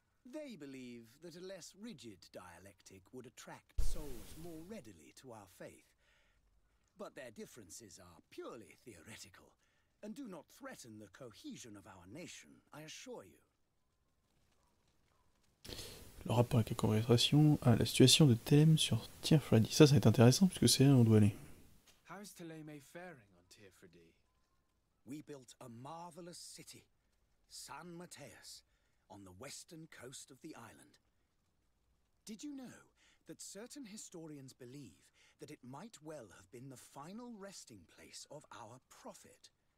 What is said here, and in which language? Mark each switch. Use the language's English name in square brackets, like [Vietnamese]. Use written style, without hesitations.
[English] They believe that a less rigid dialectic would attract souls more readily to our faith. But their differences are purely theoretical and do not threaten the cohesion of our nation, I assure you. [French] Le rapport avec la congrégation à la situation de Télim sur Tirfredi. Ça va être intéressant puisque c'est là où on doit aller. [English] How is Télim faring on Tirfredi? We built a marvelous city, San Mateus, on the western coast of the island. Did you know that certain historians believe that it might well have been the final resting place of our prophet?